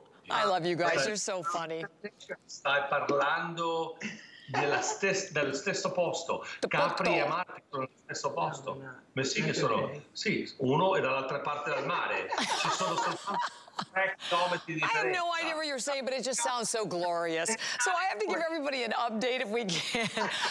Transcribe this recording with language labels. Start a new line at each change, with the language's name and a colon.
English: I love you guys, you're so funny.
Italian: Stai parlando dello stesso posto. Capri e Amalfi sono lo stesso posto. Ma sì, che sono. Sì, uno è dall'altra parte del mare. Ci sono soltanto.
English: I have no idea what you're saying, but it just sounds so glorious. So I have to give everybody an update if we can.